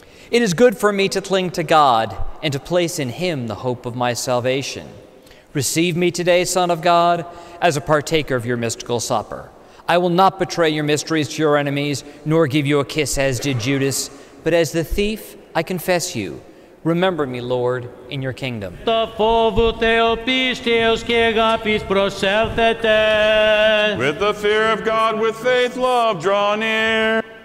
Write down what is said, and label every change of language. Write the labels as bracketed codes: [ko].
[en] It is good for me to cling to God and to place in Him the hope of my salvation. Receive me today, Son of God, as a partaker of your mystical supper. I will not betray your mysteries to your enemies, nor give you a kiss as did Judas, but as the thief, I confess you. Remember me, Lord, in your kingdom. [el] Το φόβο Θεού πίστεως και αγάπης προσέλθετε. [en] With the fear of God, with faith, love, draw near.